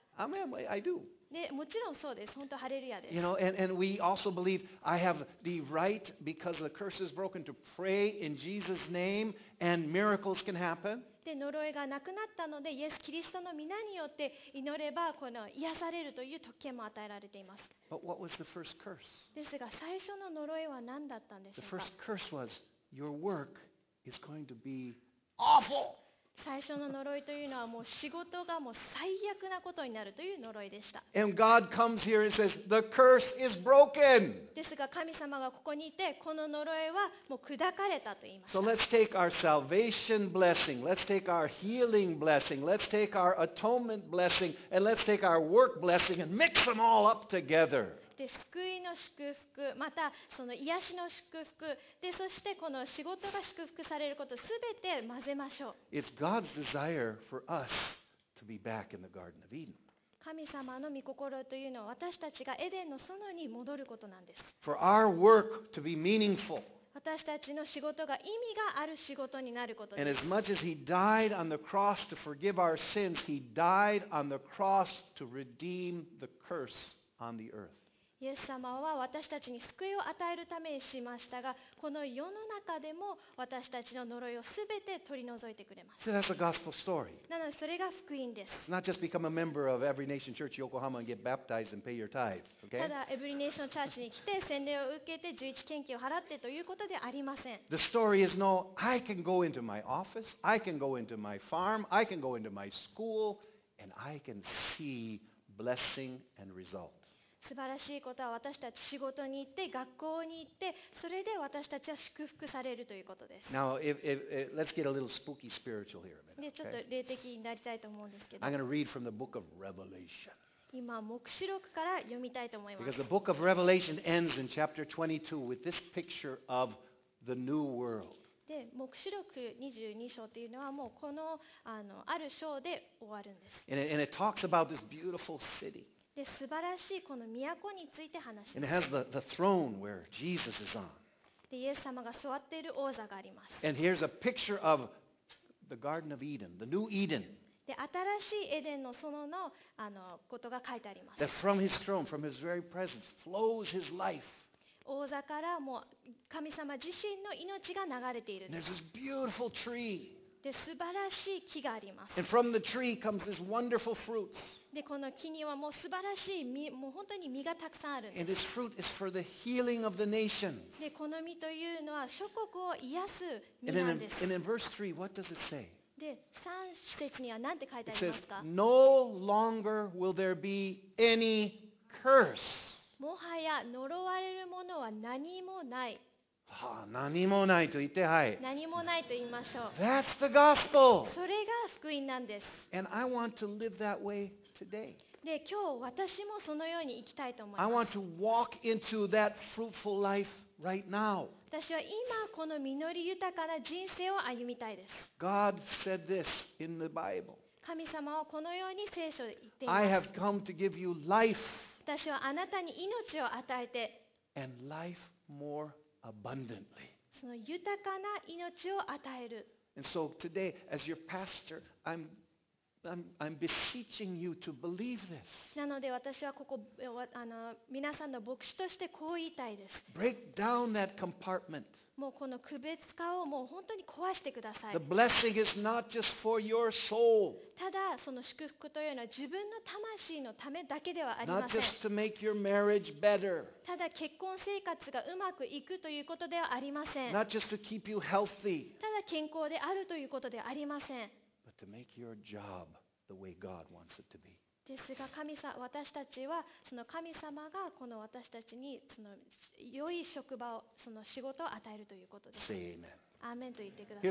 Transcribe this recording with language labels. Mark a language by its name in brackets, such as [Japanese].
[English] I do. [Japanese] でもちろんそうです。本当ハレルヤです。 [English] You know, and we also believe I have the right because the curse is broken to pray in Jesus' name and miracles can happen. [Japanese] で呪いがなくなったのでイエスキリストの御名によって祈ればこの癒されるという特権も与えられています。 [English] But what was the first curse? [Japanese] ですが最初の呪いは何だったんでしょうか。 [English] The first curse was your work is going to be awful. [Japanese] 最初の呪いというのはもう仕事がもう最悪なことになるという呪いでした。 [English] And God comes here and says, the curse is broken. [Japanese] ですが神様がここにいてこの呪いはもう砕かれたと言いました [English] So let's take our salvation blessing, let's take our healing blessing, let's take our atonement blessing, and let's take our work blessing and mix them all up together. [Japanese] で救いの祝福、またその癒しの祝福で、そしてこの仕事が祝福されること、すべて混ぜましょう。 [English] It's God's desire for us to be back in the Garden of Eden. [Japanese] 神様の御心というのは私たちがエデンの園に戻ることなんです。 [English] For our work to be meaningful. [Japanese] 私たちの仕事が意味がある仕事になることです。 [English] And as much as He died on the cross to forgive our sins, He died on the cross to redeem the curse on the earth. [Japanese] イエス様は私たちに救いを与えるためにしましたが、この世の中でも私たちの呪いをすべて取り除いてくれます。 [English] So that's a gospel story. [Japanese] なのでそれが福音です。 [English] Not just become a member of Every Nation Church Yokohama and get baptized and pay your tithe, okay? [Japanese] ただ Every Nation Church に来て洗礼を受けて十一献金を払ってということでありません。 [English] The story is no, I can go into my office, I can go into my farm, I can go into my school, and I can see blessing and result. [Japanese] 素晴らしいことは私たち仕事に行って学校に行ってそれで私たちは祝福されるということです。 [English] Now, let's get a little spooky spiritual here a minute. [Japanese] ちょっと霊的になりたいと思うんですけど。 [English] I'm going to read from the book of Revelation. [Japanese] 今、黙示録から読みたいと思います。 [English] Because the book of Revelation ends in chapter 22 with this picture of the new world. [Japanese] で、黙示録22章というのはもうこの、ある章で終わるんです。 [English] And it talks about this beautiful city. [Japanese] で素晴らしいこの都について話します。 [English] And it has the throne where Jesus is on. [Japanese] で、イエス様が座っている王座があります。 [English] And here's a picture of the Garden of Eden, the New Eden. [Japanese] で、新しいエデンの園の、ことが書いてあります。 [English] That from his throne, from his very presence, flows his life. [Japanese] 王座からもう神様自身の命が流れている。 [English] And there's this beautiful tree. [Japanese] で素晴らしい木があります。 [English] And from the tree comes this wonderful fruits. [Japanese] でこの木にはもう素晴らしい実、もう本当に実がたくさんあるんです。 [English] And this fruit is for the healing of the nations. [Japanese] でこの実というのは諸国を癒す実なんです。 [English] And in verse 3, what does it say? [Japanese] で三節には何て書いてありますか? [English] It says, No longer will there be any curse. [Japanese] もはや呪われるものは何もない。はあ、何もないと言って、はい。何もないと言いましょう。 [English] That's the gospel. [Japanese] それが福音なんです。 [English] And I want to live that way today. [Japanese] で、今日私もそのように生きたいと思います。 [English] I want to walk into that fruitful life right now. [Japanese] 私は今この実り豊かな人生を歩みたいです。 [English] God said this in the Bible. [Japanese] 神様はこのように聖書で言っています [English] 。I have come to give you life. [Japanese] 私はあなたに命を与えて。 [English] And life more. Abundantly. [Japanese] その豊かな命を与える。 [English] And so today, as your pastor, I'm beseeching you to believe this. [Japanese] なので私はここ皆さんの牧師としてこう言いたいです。 [English] Break down that compartment. [Japanese] もうこの区別化をもう本当に壊してください。 [English] The blessing is not just for your soul. [Japanese] ただその祝福というのは自分の魂のためだけではありません。 [English] Not just to make your marriage better. [Japanese] ただ結婚生活がうまくいくということではありません。 [English] Not just to keep you healthy. [Japanese] ただ健康であるということではありません。 [English] To make your job the way God wants it to be. [Japanese] ですが神様、私たちはその神様がこの私たちにその良い職場を、その仕事を与えるということです。 [English] Say amen. [Japanese] アーメンと言ってください。